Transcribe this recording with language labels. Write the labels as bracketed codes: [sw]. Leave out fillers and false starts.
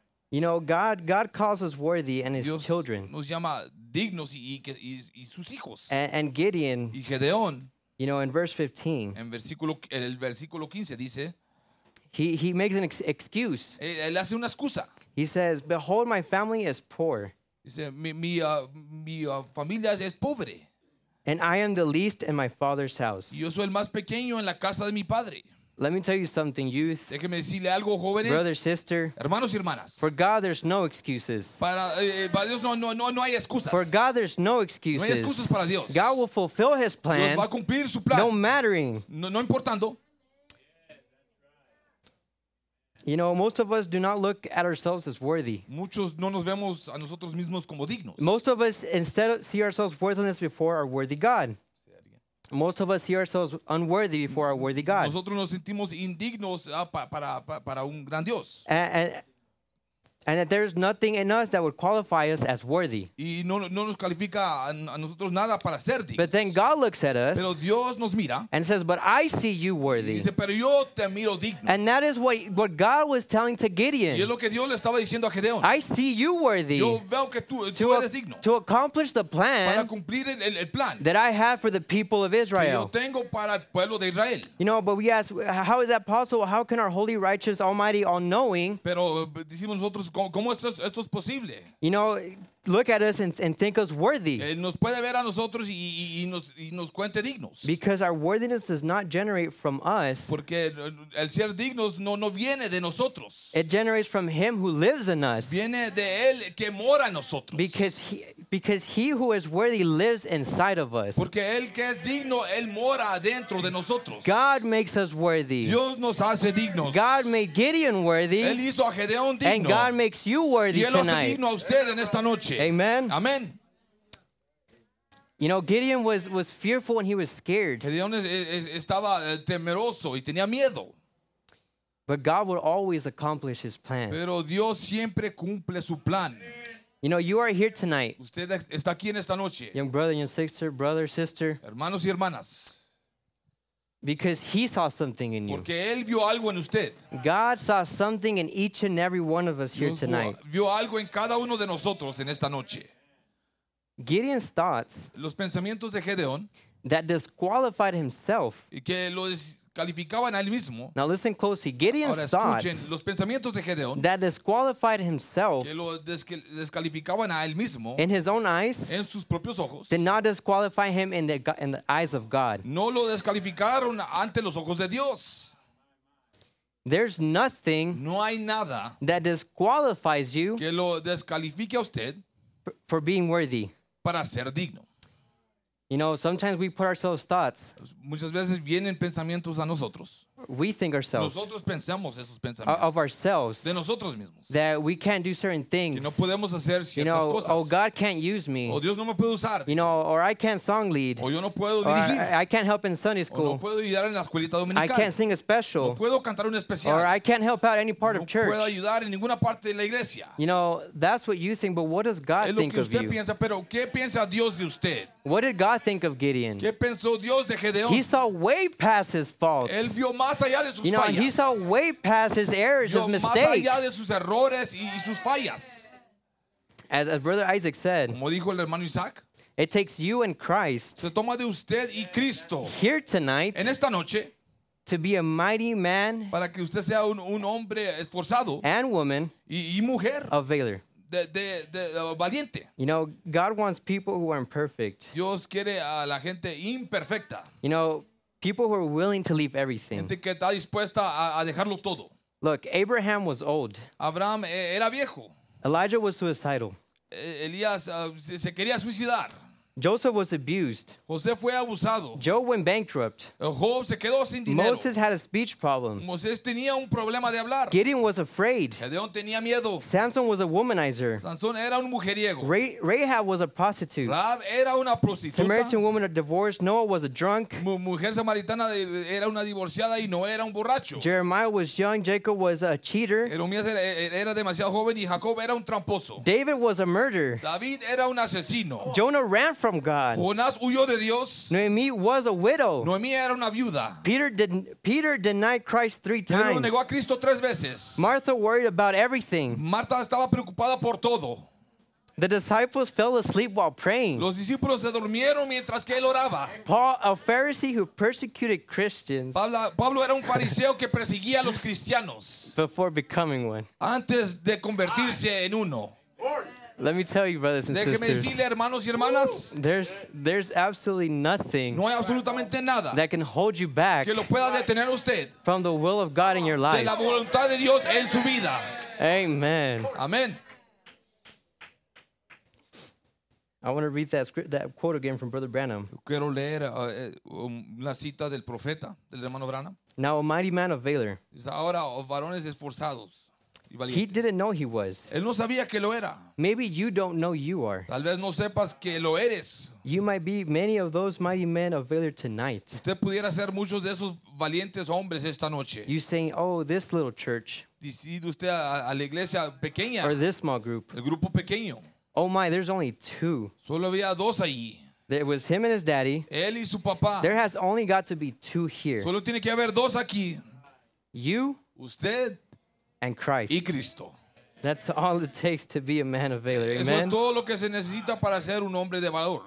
[en] You know, God calls us worthy and his [es] Dios [en] children. [es] Nos llama dignos y sus hijos. [en] And Gideon, [es] y Gedeón, [en] you know, in verse 15, [es] en el versículo 15 dice, [en] he makes an excuse. [es] Él hace una excusa. [en] He says, "Behold, my family is poor." [es] Dice, mi familia es pobre. [en] And I am the least in my father's house. [es] Yo soy el más pequeño en la casa de mi padre. [en] Let me tell you something, youth. [es] Déjeme decirle algo, jóvenes, [en] brother, sister. [es] Hermanos y hermanas. [en] For God, there's no excuses. [es] Para Dios no hay excusas. [en] For God, there's no excuses. [es] No hay excusas para Dios. [en] God will fulfill his plan. [es] Dios va a cumplir su plan. [en] No mattering. [es] No importando. [en] You know, most of us do not look at ourselves as worthy. [es] Muchos no nos vemos a nosotros mismos como dignos. [en] Most of us instead see ourselves worthless before our worthy God. Most of us see ourselves unworthy before our worthy God. [es] Nosotros nos sentimos indignos para un gran Dios. [en] And that there is nothing in us that would qualify us as worthy. [es] Y no nos califica a nosotros nada para ser dignos. [en] But then God looks at us. [es] Pero Dios nos mira. [en] And says, "But I see you worthy." [es] Y dice, pero yo te miro digno. [en] And that is what God was telling to Gideon. [es] Y es lo que Dios le estaba diciendo a Gedeón. [en] I see you worthy. [es] Yo veo que tú eres digno. [en] To accomplish the plan. [es] Para cumplir el plan. [en] That I have for the people of Israel. [es] Que yo tengo para el pueblo de Israel. [en] You know, but we ask, how is that possible? How can our holy, righteous, almighty, all-knowing? [es] Pero decimos nosotros. ¿Cómo esto es posible? [en] You know, look at us and think us worthy. [es] Él nos puede ver a nosotros y nos cuente dignos. [en] Because our worthiness does not generate from us. [es] Porque el ser dignos no viene de nosotros. [en] It generates from him who lives in us. [es] Viene de él que mora en nosotros. [en] Because he who is worthy lives inside of us. [es] Porque el que es digno, él mora dentro de nosotros. [en] God makes us worthy. [es] Dios nos hace dignos. [en] God made Gideon worthy. [es] Él hizo a Gedeón digno. [en] And God makes you worthy [es] y él [en] tonight. [es] Él hace digno a usted en esta noche. [en] Amen. [es] Amen. [en] You know, Gideon was fearful and he was scared. [es] Gedeón estaba temeroso y tenía miedo. [en] But God will always accomplish his plan. [es] Pero Dios siempre cumple su plan. [en] You know, you are here tonight. [es] Usted está aquí en esta noche. [en] Young brother, young sister, brother, sister. [es] Hermanos y hermanas. [en] Because he saw something in you. [es] Porque él vio algo en usted. [en] God saw something in each and every one of us here tonight. [es] Vio algo en cada uno de nosotros en esta noche. [en] Gideon's thoughts. [es] Los pensamientos de Gedeón. [en] That disqualified himself. [es] Y que lo calificaban a él mismo. [en] Now listen closely. Gideon's [es] ahora escuchen [en] thoughts [es] los pensamientos de Gedeón, [en] that disqualified himself, [es] que lo descalificaban a él mismo, [en] in his own eyes, [es] en sus propios ojos, [en] did not disqualify him in the eyes of God. [es] No lo descalificaron ante los ojos de Dios. [en] There's nothing, [es] no hay nada, [en] that disqualifies you, [es] que lo descalifique a usted, [en] for being worthy, [es] para ser digno. [en] You know, sometimes we put ourselves thoughts. [es] Muchas veces vienen pensamientos a nosotros. [en] We think ourselves. [es] Nosotros pensamos esos pensamientos. [en] Of ourselves. [es] De nosotros mismos. [en] That we can't do certain things. [es] Que no podemos hacer ciertas [en] you know, [es] cosas. [en] Oh, God can't use me. [es] O Dios no me puede usar. [en] You know, or I can't song lead. [es] O yo no puedo [en] or [es] dirigir. [en] I can't help in Sunday school. [es] O no puedo ayudar en la escuelita dominical. [en] I can't sing a special. [es] No puedo cantar un especial. [en] Or I can't help out any part [es] no [en] of church. [es] No puedo ayudar en ninguna parte de la iglesia. [en] You know, that's what you think, but what does God [es] es lo [en] think [es] que usted [en] of you? [es] Piensa, pero ¿qué piensa Dios de usted? [en] What did God think of Gideon? [es] ¿Qué pensó Dios de Gedeón? [en] He saw way past his faults. [es] Él vio más allá de sus [en] you know, [es] fallas. [en] He saw way past his errors, [es] vio [en] his mistakes. [es] Más allá de sus errores y sus fallas. [en] As Brother Isaac said, [es] como dijo el hermano Isaac, [en] it takes you and Christ [es] se toma de usted y Cristo [en] here tonight [es] en esta noche, [en] to be a mighty man [es] para que usted sea un hombre esforzado [en] and woman [es] y mujer [en] of valor. [es] valiente. [en] You know, God wants people who are imperfect. [es] Dios quiere a la gente imperfecta. [en] You know, people who are willing to leave everything. [es] Gente que está dispuesta a dejarlo todo. [en] Look, Abraham was old. [es] Abraham era viejo. [en] Elijah was suicidal. [es] Elías se quería suicidar. [en] Joseph was abused. [es] José fue abusado. [en] Job went bankrupt. [es] Job se quedó sin dinero. [en] Moses had a speech problem. [es] Moisés tenía un problema de hablar. [en] Gideon was afraid. [es] Gedeón tenía miedo. [en] Samson was a womanizer. [es] Sansón era un mujeriego. [en] Rahab was a prostitute. [es] Rahab era una prostituta. [en] Samaritan woman a divorced. Noah was a drunk. [es] Mujer samaritana era una divorciada y Noé era un borracho. [en] Jeremiah was young. Jacob was a cheater. [es] Jeremías era demasiado joven y Jacob era un tramposo. [en] David was a murderer. [es] David era un asesino. [en] Jonah ran from God. [es] Jonás huyó de Dios. [en] Noemi was a widow. [es] Noemi era una viuda. [en] Peter denied Christ three times. [es] Pedro negó a Cristo tres veces. [en] Martha worried about everything. [es] Marta estaba preocupada por todo. [en] The disciples fell asleep while praying. [es] Los discípulos se durmieron mientras que él oraba. [en] Paul, a Pharisee who persecuted Christians. [es] Pablo era un fariseo que perseguía a los cristianos. [en] Before becoming one. [es] Antes de convertirse en uno. [en] Let me tell you, brothers and [es] Déjeme [en] sisters. [es] Decirle, hermanos y hermanas, [en] there's absolutely nothing [es] no hay absolutamente nada [en] that can hold you back [es] que lo pueda detener usted [en] from the will of God in your life. [es] De la voluntad de Dios en su vida. [en] Amen. [es] Amen. [en] I want to read that quote again from Brother Branham. [es] Quiero leer la cita del profeta, del hermano Branham. [en] Now a mighty man of valor. [es] Ahora varones esforzados. [en] He didn't know he was. [es] Él no sabía que lo era. [en] Maybe you don't know you are. [es] Tal vez no sepas que lo eres. [en] You might be many of those mighty men of valor tonight. [es] Usted pudiera ser muchos de esos valientes hombres esta noche. [en] You saying, oh, this little church. [es] Decide usted a la iglesia pequeña. [en] Or this small group. [es] El grupo pequeño. [en] Oh my, there's only two. [es] Solo había dos allí. [en] It was him and his daddy. [es] Él y su papá. [en] There has only got to be two here. [es] Solo tiene que haber dos aquí. [en] You. [es] Usted. [en] And Christ. [es] Y Cristo. [en] That's all it takes to be a man of valor. [es] Eso amen. Es todo lo que se necesita para ser un hombre de valor.